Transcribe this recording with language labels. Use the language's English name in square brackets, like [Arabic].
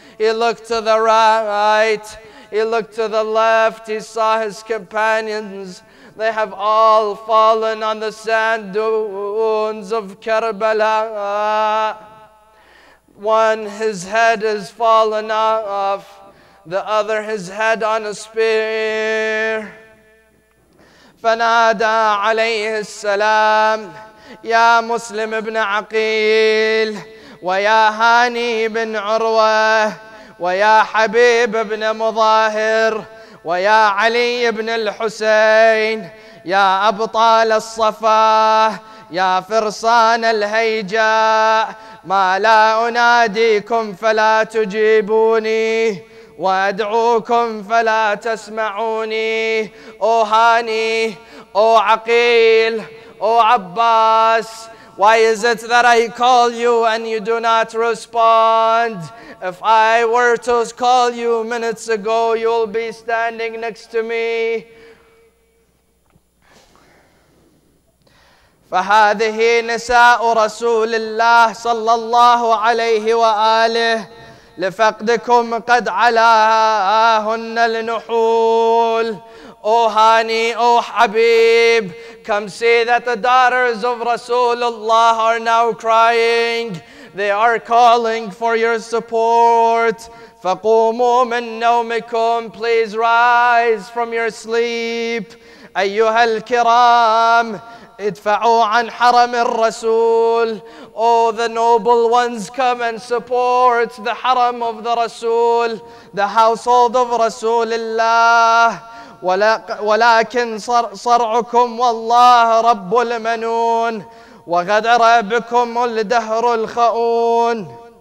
[English] He looked to the right, he looked to the left, he saw his companions. They have all fallen on the sand dunes of Karbala. One, his head is fallen off. The other, his head on a spear. [Arabic] فَنَادَى عَلَيْهِ السَّلَامُ يَا مُسْلِمْ بْنَ عَقِيلِ وَيَا هَانِي بْنْ عُرْوَةِ وَيَا حَبِيبِ بْنَ مُظَاهِرِ ويا علي بن الحسين يا أبطال الصفا يا فرسان الهيجاء ما لا أناديكم فلا تجيبوني وأدعوكم فلا تسمعوني أو هاني أو عقيل أو عباس. [English] Why is it that I call you and you do not respond? If I were to call you minutes ago, you'll be standing next to me. [Arabic] فهذه نساء رسول الله صلى الله عليه وآله لفقدكم قد علاهن النحول. [English] Oh honey, oh Habib, come see that the daughters of Rasulullah are now crying. They are calling for your support. [Arabic] فَقُومُوا مِن نَوْمِكُمْ. [English] Please rise from your sleep. [Arabic] أَيُّهَا الْكِرَامِ ادْفَعُوا عَنْ حَرَمِ الرَّسُولِ. [English] Oh, the noble ones, come and support the haram of the Rasul, the household of Rasulullah. [Arabic] ولكن صرعكم والله رب المنون وغدر بكم الدهر الخؤون.